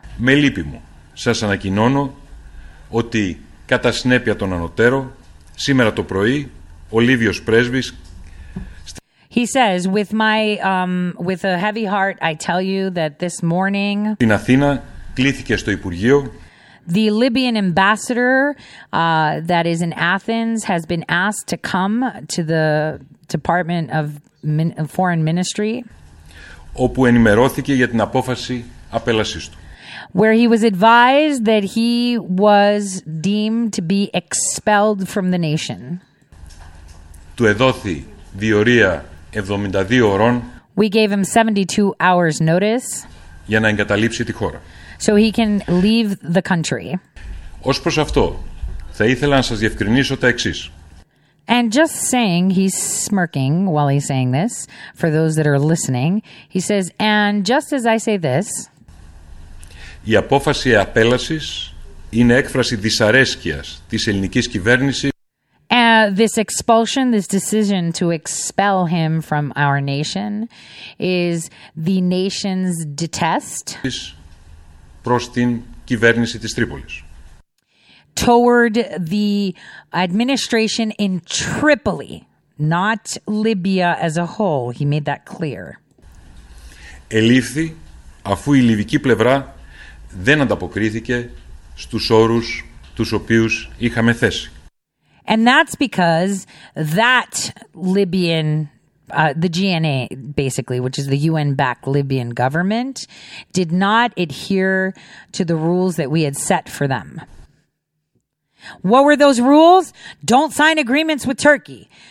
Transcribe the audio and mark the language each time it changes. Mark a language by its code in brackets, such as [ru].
[el] Με λύπη μου, σας ανακοινώνω ότι κατά συνέπεια των ανωτέρων, σήμερα το πρωί, Olivios Presbis. [en] He says, with a heavy heart, I tell you that this morning, [el] in Athena, κλήθηκε στο Υπουργείο. [en] The Libyan ambassador that is in Athens has been asked to come to the Department of Foreign Ministry, [el] όπου ενημερώθηκε για την απόφαση απέλασής του. [en] Where he was advised that he was deemed to be expelled from the nation. [el] Του εδόθη διορία 72 ώρων. [en] We gave him 72 hours notice. [el] Για να εγκαταλείψει τη χώρα. [en] So he can leave the country. [el] Ως προς αυτό, θα ήθελα να σας διευκρινίσω τα εξής. [en] And just saying, he's smirking while he's saying this, for those that are listening. He says, and just as I say this. [el] Η απόφαση απέλασης είναι έκφραση δυσαρέσκειας της ελληνικής κυβέρνησης. [en] This expulsion, this decision to expel him from our nation is the nation's detest [el] προς την κυβέρνηση της Τρίπολης. [en] Toward the administration in Tripoli, not Libya as a whole. He made that clear. [el] Ελήφθη αφού η λιβική πλευρά δεν ανταποκρίθηκε στους όρους τους οποίους είχαμε θέσει. [en] And that's because that Libyan, the GNA, basically, which is the UN-backed Libyan government, did not adhere to the rules that we had set for them. What were those rules? Don't sign agreements with Turkey.